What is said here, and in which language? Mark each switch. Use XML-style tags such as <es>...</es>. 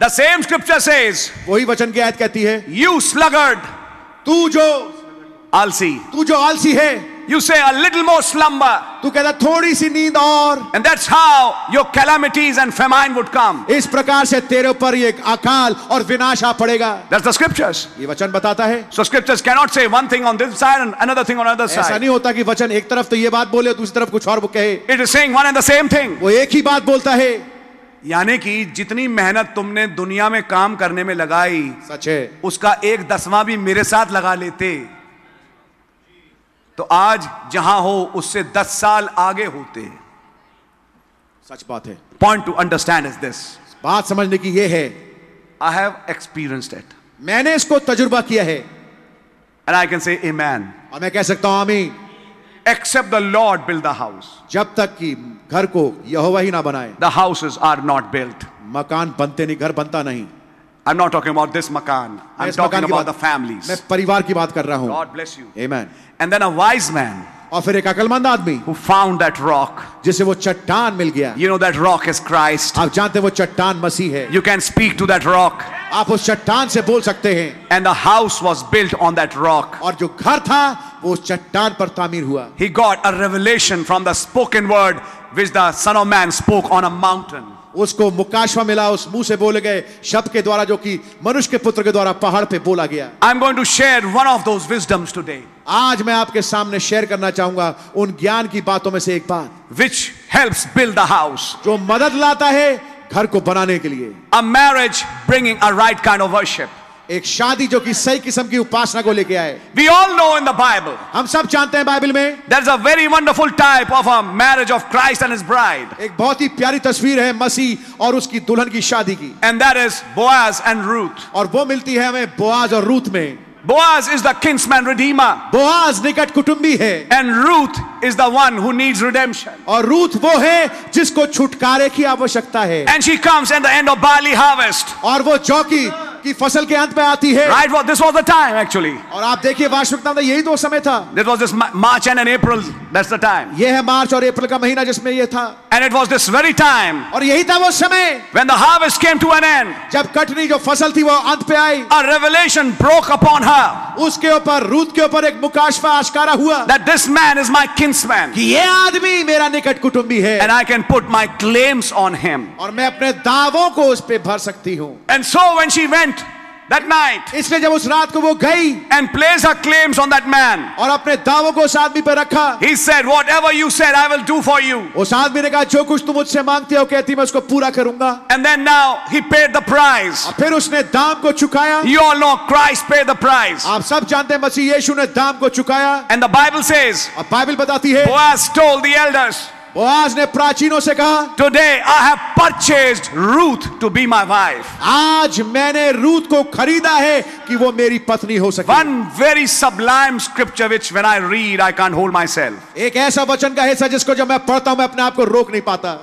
<en>The same scripture says.</en> <hi>वही वचन की आयत कहती है.</hi> <en>You sluggard.</en> <hi>तू जो आलसी है.</hi> <en>You say a little more slumber.</en> <hi>तू कहता थोड़ी सी नींद और.</hi> <en>And that's how your calamities and famine would come.</en> <hi>इस प्रकार से तेरे ऊपर ये अकाल और विनाश आ पड़ेगा.</hi> <en>That's the scriptures.</en> <hi>ये वचन बताता है.</hi> <en>So scriptures cannot say one thing on this side and another thing on another side.</en> <hi>ऐसा नहीं होता कि वचन एक तरफ तो ये बात बोले दूसरी तरफ कुछ और कहे.</hi> <en>It is saying one and the same thing.</en> <hi>वो एक ही बात बोलता है. यानी कि जितनी मेहनत तुमने दुनिया में काम करने में लगाई, सच है, उसका एक दसवां भी मेरे साथ लगा लेते तो आज जहां हो उससे 10 साल आगे होते. सच बात है.</hi> <en>Point to understand is this.</en> <hi>बात समझने की यह है.</hi> <en>I have experienced it.</en> <hi>मैंने इसको तजुर्बा किया है.</hi> <en>And I can say amen.</en> <hi>और मैं कह सकता हूं आमीन.</hi> <en>Except the Lord build the house.</en> <hi>जब तक कि घर को यहोवा ही ना बनाए.</hi> <en>The houses are not built.</en> <hi>मकान बनते नहीं, घर बनता नहीं.</hi> <en>I'm not talking about this makan. I'm talking about the families.</en> <hi>मैं परिवार की बात कर रहा हूं.</hi> <en>God bless you. Amen. And then a wise man.</en> <hi>और फिर एक अकलमंद आदमी.</hi> <en>Who found that rock.</en> <hi>जिसे वो चट्टान मिल गया.</hi> <en>You know that rock is Christ.</en> <hi>आप जानते हैं वो चट्टान मसीह है.</hi> <en>You can speak to that rock.</en> <hi>आप उस चट्टान से बोल सकते हैं.</hi> <en>And the house was built on that rock.</en> <hi>और जो घर था वो उस चट्टान पर तामीर हुआ.</hi> <en>He got a revelation from the spoken word which the Son of Man spoke on a mountain.</en> <hi>उसको मुकाशवा मिला उस मुंह से बोले गए शब्द के द्वारा जो कि मनुष्य के पुत्र के द्वारा पहाड़ पे बोला गया.</hi> <en>I'm going to share one of those wisdoms today.</en> <hi>आज मैं आपके सामने शेयर करना चाहूंगा उन ज्ञान की बातों में से एक बात.</hi> <en>Which helps build the house.</en> <hi>जो मदद लाता है घर को बनाने के लिए.</hi> <en>A marriage bringing a right kind of worship.</en> <hi>एक शादी जो कि सही किस्म की उपासना को लेके आए.</hi> <en>We all know in the Bible.</en> <hi>हम सब जानते हैं बाइबल में.</hi> <en>There's a very wonderful type of a marriage of Christ and his bride.</en> <hi>एक बहुत ही प्यारी तस्वीर है मसीह और उसकी दुल्हन की शादी की.</hi> <en>And that is Boaz and Ruth.</en> <hi>और वो मिलती है हमें बोआज और रूथ में.</hi> <en>Boaz is the kinsman redeemer.</en> <hi>Boaz निकट कुटुंबी है.</hi> <en>And Ruth is the one who needs redemption.</en> <hi>और रूथ वो है जिसको छुटकारे की आवश्यकता है.</hi> <en>And she comes at the end of barley harvest.</en> <hi>और वो चौकी की फसल के अंत में आती है.</hi> <en>Right, well, this was the time actually.</en> <hi>और आप देखिए वार्षिकता में यही दो समय था.</hi> <en>This was this March and an April. That's the time.</en> <hi>ये है मार्च और अप्रैल का महीना जिसमें ये था.</hi> <en>And it was this very time.</en> <hi>और यही था वो समय.</hi> <en>When the harvest came to an end.</en> <hi>जब कटनी जो फसल थी वो अंत पे आई.</hi> <en>A revelation broke upon her.</en> <hi>उसके ऊपर रूथ के ऊपर एक मुकाशफा आश्कारा हुआ.</hi> <en>That this man is my kinsman.</en> <hi>कि ये आदमी मेरा निकट कुटुंबी है.</hi> <en>And I can put my claims on him.</en> <hi>और मैं अपने दावों को उस पे भर सकती हूँ.</hi> <en>And so when she went that night,</en> <hi>इसलिए जब उस रात को वो गई,</hi> <en>and placed her claims on that man,</en> <hi>और अपने दावों को उस आदमी पे रखा,</hi> <en>he said, whatever you said, I will do for you.</en> <hi>उस आदमी ने कहा, जो कुछ तुम मुझसे मांगती हो, कहती मैं उसको पूरा करूँगा.</hi> <en>And then now he paid the price.</en> <hi>और फिर उसने दाम को चुकाया.</hi> <en>You all know Christ paid the price.</en> <hi>आप सब जानते हैं मसीह यीशु ने दाम को चुकाया.</hi> <en>And the Bible says,</en> <hi>और बाइबल बताती है,</hi> <en>Boaz told the elders.</en> <hi>Boaz ने प्राचीनों से कहा,</hi> <en>Today I have purchased Ruth to be my wife.</en> <hi>आज मैंने रूथ को खरीदा है कि वो मेरी पत्नी हो सके.</hi> <en>One very sublime scripture which when I read I can't hold myself.</en> <hi>एक ऐसा वचन का हिस्सा जिसको जब मैं पढ़ता हूं मैं अपने आप को रोक नहीं पाता.</hi>